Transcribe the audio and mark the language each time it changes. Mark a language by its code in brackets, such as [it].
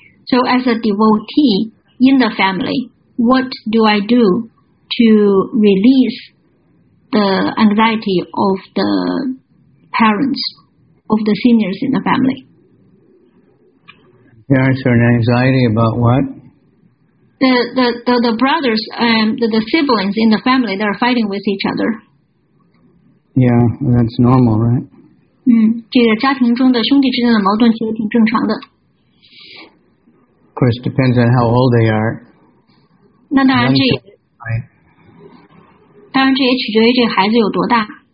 [en] So as a devotee in the family, what do I do to release the anxiety of the parents, of the seniors in the family? Parents are in anxiety about what? The brothers, the siblings in the family, they're fighting with each other. Yeah, that's normal, right? [zh] 这个家庭中的兄弟之间的矛盾其实挺正常的。 [en] Of course, it depends on how old they are. [zh] 那当然这也，当然这也取决于这个孩子有多大。